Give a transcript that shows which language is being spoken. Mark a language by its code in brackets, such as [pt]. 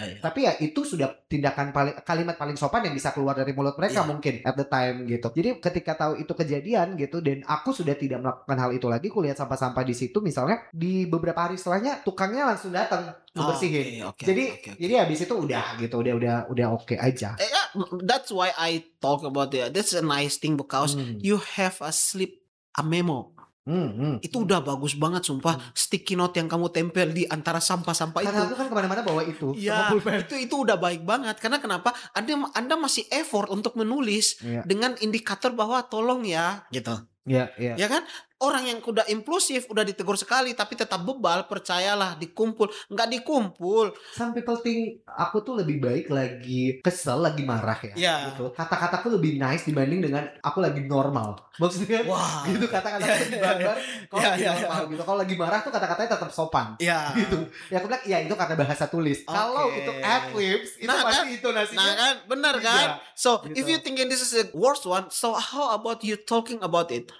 [id] Tapi ya itu sudah tindakan paling, kalimat paling sopan yang bisa keluar dari mulut mereka mungkin [en] at the time [id] gitu. Jadi ketika tahu itu kejadian gitu dan aku sudah tidak melakukan hal itu lagi, kulihat sampah-sampah di situ misalnya, di beberapa hari setelahnya tukangnya langsung datang membersihin. Jadi habis itu udah gitu, udah oke aja. [en] That's why I talk about it. That's a nice thing because you have a sleep a memo. [id] Itu udah bagus banget sumpah. Sticky note yang kamu tempel di antara sampah-sampah karena itu. Karena aku kan kemana-mana bawa itu. Iya, itu udah baik banget. Karena kenapa? Anda masih effort untuk menulis dengan indikator bahwa tolong ya, gitu. Iya, iya. Ya kan? Orang yang udah impulsif, udah ditegur sekali, tapi tetap bebal, percayalah, dikumpul. Nggak dikumpul. [en] Some people think, [id] aku tuh lebih baik lagi kesel, lagi marah ya. [en] Yeah. [id] Gitu. Kata-kataku lebih nice dibanding dengan aku lagi normal. Maksudnya, gitu kata-kata yeah, lebih barbar, gitu. Kalau lagi marah tuh kata-katanya tetap sopan. Iya. [en] Yeah. Gitu. [id] Ya aku bilang, ya itu karena bahasa tulis. Okay. Kalau itu ad-libs, itu nah, pasti kan, itu nasinya. Nah kan, benar kan? Yeah. So, gitu. [en] If you thinking this is the worst one, so how about you talking about it?